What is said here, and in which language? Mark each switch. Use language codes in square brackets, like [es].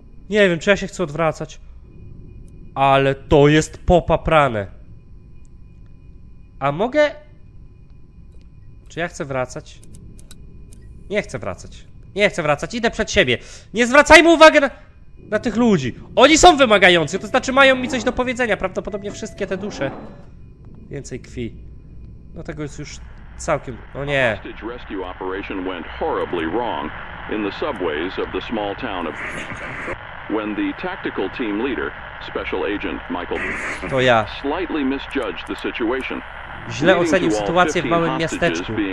[pl] Nie wiem, czy ja się chcę odwracać. Ale to jest popaprane. A mogę... Czy ja chcę wracać? Nie chcę wracać, idę przed siebie. Nie zwracajmy uwagi na tych ludzi. Oni są wymagający, to znaczy mają mi coś do powiedzenia. Prawdopodobnie wszystkie te dusze. Więcej krwi. No tego jest już całkiem... O nie. [en] A hostage rescue operation went horribly wrong in the subways of the small town of... When the tactical team leader, special agent Michael... [pl] To ja. [en] Slightly misjudged the situation. [pl] Źle ocenił sytuację w małym miasteczku.